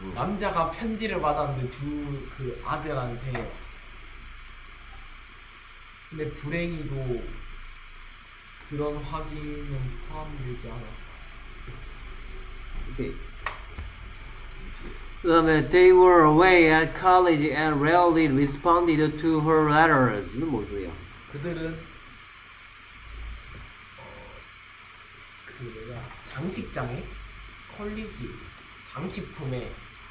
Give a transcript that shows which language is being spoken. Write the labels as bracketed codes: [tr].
[ko] 남자가 편지를 받았는데 두그 아들한테 근데 불행히도 그런 확인은 포함되지 않았다. 오케이. [en] 그다음에 they were away at college and rarely responded to her letters. [ko] 이건 뭔 소리야? 그들은 그 내가 장식장에 컬리지 장식품을